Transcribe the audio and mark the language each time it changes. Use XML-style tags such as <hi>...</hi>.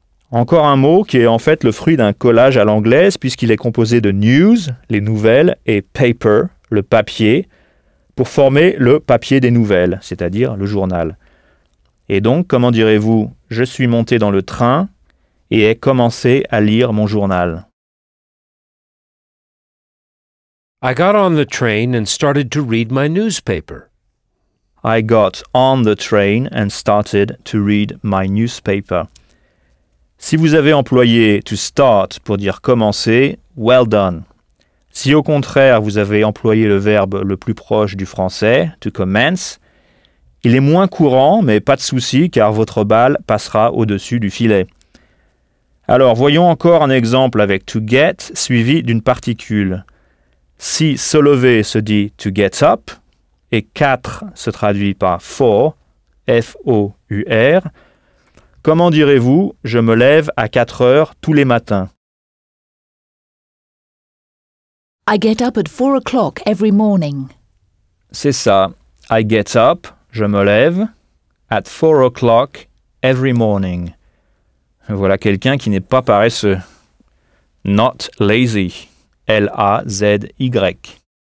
<fr>Encore un mot qui est en fait le fruit d'un collage à l'anglaise, puisqu'il est composé de news, les nouvelles, et paper, le papier, pour former le papier des nouvelles, c'est-à-dire le journal. Et donc, comment direz-vous, je suis monté dans le train, et ai commencé à lire mon journal.</fr> <en>I got on the train and started to read my newspaper. I got on the train and started to read my newspaper.</en> <fr>Si vous avez employé « to start » pour dire « commencer »,</fr> <en>well done.</en> <fr>Si au contraire vous avez employé le verbe le plus proche du français « to commence », il est moins courant, mais pas de souci, car votre balle passera au-dessus du filet. Alors, voyons encore un exemple avec « to get » suivi d'une particule. Si « se lever » se dit « to get up » et « 4 » se traduit par « for », F-O-U-R, comment direz-vous « je me lève à 4 heures tous les matins »</fr> <en>I get up at 4 o'clock every morning.</en> <fr>C'est ça.</fr> <en>I get up,</en> <fr>je me lève,</fr> <en>at 4 o'clock every morning.</en> <fr>Voilà quelqu'un qui n'est pas paresseux.</fr> <en>Not lazy.</en> <fr>L-A-Z-Y.</fr>